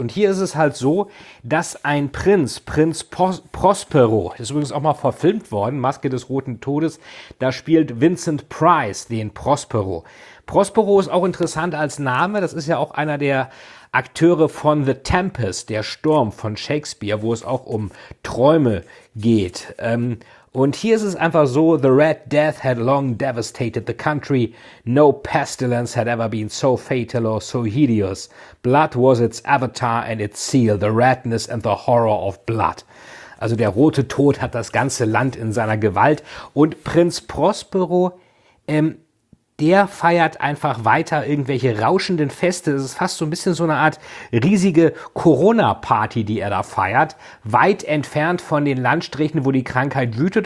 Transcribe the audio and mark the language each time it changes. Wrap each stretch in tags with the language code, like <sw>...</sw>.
<de>Und hier ist es halt so, dass ein Prinz, Prinz Prospero, ist übrigens auch mal verfilmt worden, Maske des Roten Todes, da spielt Vincent Price den Prospero. Prospero ist auch interessant als Name, das ist ja auch einer der Akteure von The Tempest, der Sturm von Shakespeare, wo es auch um Träume geht. Und hier ist es einfach so,</de> <en>the Red Death had long devastated the country. No pestilence had ever been so fatal or so hideous. Blood was its avatar and its seal, the redness and the horror of blood.</en> <de>Also der Rote Tod hat das ganze Land in seiner Gewalt. Und Prinz Prospero, der feiert einfach weiter irgendwelche rauschenden Feste. Es ist fast so ein bisschen so eine Art riesige Corona-Party, die er da feiert. Weit entfernt von den Landstrichen, wo die Krankheit wütet.</de>